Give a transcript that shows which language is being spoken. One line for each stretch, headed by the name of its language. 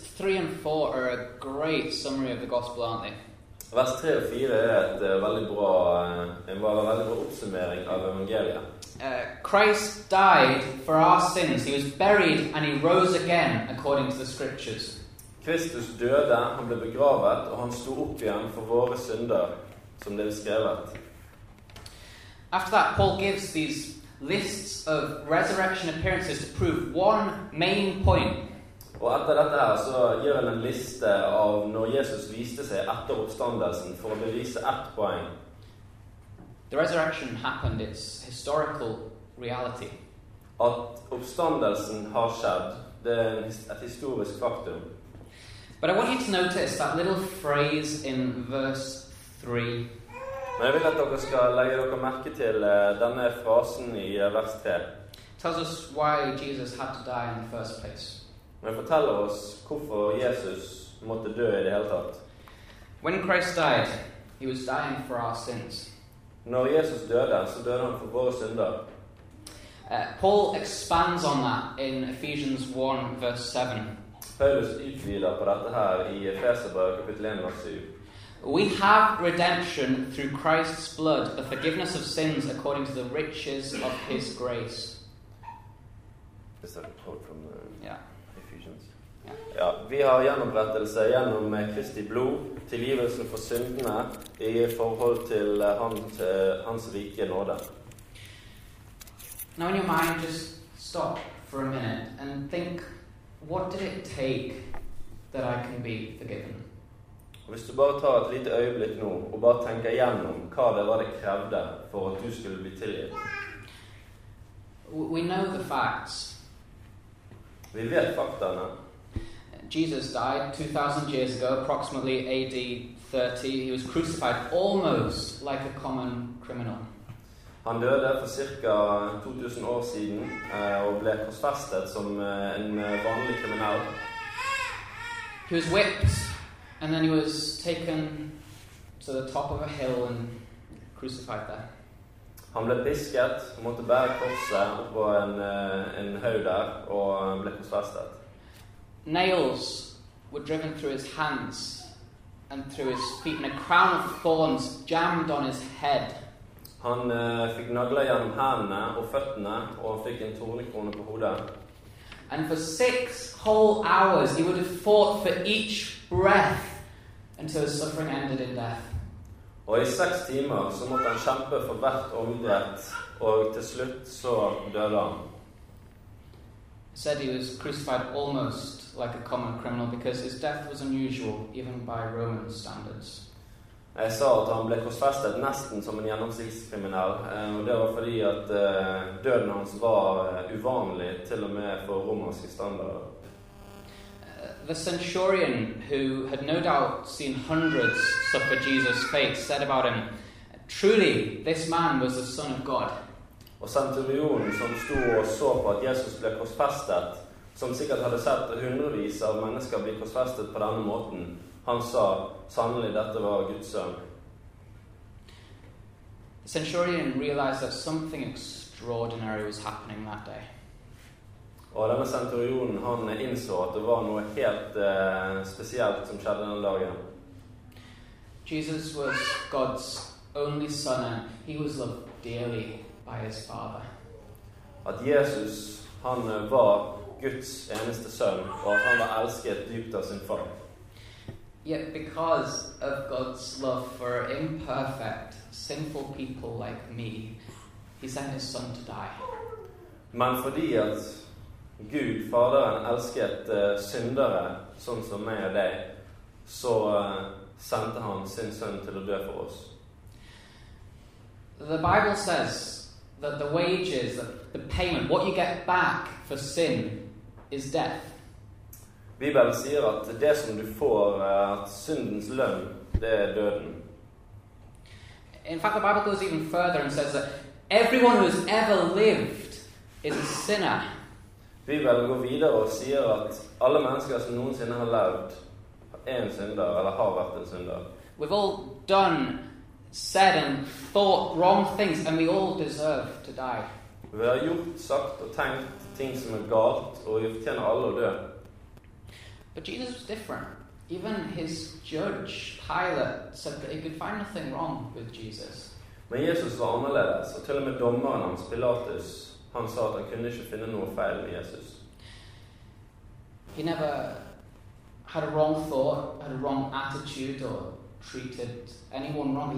English: 3 and 4 are a great summary of the gospel, aren't they?
Swedish: Vers 3 och 4 är ett väldigt bra en väldigt bra uppsummering av evangeliet.
English: Christ died for our sins. He was buried and he rose again according to the scriptures.
Swedish: Kristus döde, han blev begravet och han stod upp igen för våra synder som det är skrivet.
English: After that Paul gives these lists of resurrection appearances to prove one main point.
Swedish: Och efter detta så ger han en lista av när Jesus visste sig efter uppståndelsen för att bevisa ett poäng.
English: The resurrection happened, it's historical reality.
Swedish: Att uppståndelsen har skett, det är ett historiskt faktum.
English: But I want you to notice that little phrase in verse 3.
Swedish: Men jag vill att ni ska lägga dere märke till denna frasen i vers 3.
English: Tells us why Jesus had to die in the first place.
Norwegian: Men fortæller oss hvorfor Jesus måtte dø i det hele tatt.
English: When Christ died, he was dying for our sins.
Norwegian: Når Jesus døde, så døde han for våre synder.
English: Paul expands on that in Ephesians 1, verse 7.
Norwegian: Paulus utvider på dette her i Efeserbrevet kapittel 1, vers 7.
English: We have redemption through Christ's blood, the forgiveness of sins according to the riches of his grace. Is that a quote from the... Yeah.
Norwegian: Ja, vi har gjenopprettelse gjennom Kristi blod, tilgivelsen for syndene i forhold til hans rike nåde.
English: Now in your mind just stop for a minute and think, what did it take that I can be forgiven?
Norwegian: Hvis du bare tar et lite øyeblikk nå og bare tenker gjennom hva det var det krevde for at du skulle bli tilgitt.
English: We know the facts.
Norwegian: Vi vet faktaene.
English: Jesus died 2,000 years ago, approximately AD 30. He was crucified almost like a common criminal.
Norwegian: Han døde for cirka 2,000 år siden og ble korsfestet som en vanlig kriminell.
English: He was whipped and then he was taken to the top of a hill and crucified there.
Norwegian: Han ble pisket, måtte bære korset på en høy der og ble korsfestet.
English: Nails were driven through his hands and through his feet, and a crown of thorns jammed on his head.
Swedish: Han fick naglar genom händerna och fötterna, och han fick en tornekrona på huvudet.
English: And for 6 whole hours he would have fought for each breath until his suffering ended in death.
Swedish: Och i 6 timmar så måste han kämpa för vart andet, och till slut så dör han.
English: Said he was crucified almost like a common criminal because his death was unusual even by Roman standards.
Swedish: Jag sa att han blev korsfästad nästan som en genomsnittskriminell, och det var för att döden hans var ovanlig till och med för romerska standarder.
English: The centurion, who had no doubt seen hundreds suffer Jesus' fate, said about him, "Truly, this man was the Son of God."
Swedish: Och centurionen som stod och så på att Jesus blev korsfästad, som säkert hade sett hundrevis av människor bli korsfästade på den måten, han sa, sannolikt detta var Guds son.
English: The centurion realized that something extraordinary was happening that day.
Swedish: Och den centurionen, han insåg att det var något helt speciellt som skedde den dagen.
English: Jesus was God's only son and he was loved dearly by his father.
Swedish: Att Jesus, han var Guds enaste son och han var älskad djupt av sin far.
English: Yet because of God's love for imperfect, sinful people like me, he sent his son to die.
Norwegian: Men fordi at Gud, Faderen, älskat syndare sånn som meg og deg, så sendte han sin son
Swedish: till att dö för oss.
English: The Bible says that the wages, the payment, what you get back for sin, is death.
Swedish: Bibeln säger att det som du får syndens lön, det är döden.
English: In fact, the Bible goes even further and says that everyone who has ever lived is a sinner.
Swedish: Bibeln går vidare och säger att alla människor som någonsin har levt är en syndare eller har varit en syndare.
English: We've all done, said and thought wrong things, and we all deserve to die.
Swedish: Vi har gjort, sagt och tänkt ting som är galt, och vi förtjänar alla att dö.
English: But Jesus was different. Even his judge, Pilate, said that he could find nothing wrong with Jesus.
Norwegian: Men Jesus var annerledes, og til og med dommeren hans, Pilatus, han sa at han kunne ikke finne noe feil med Jesus.
English: He never had a wrong thought, had a wrong attitude, or treated anyone wrong.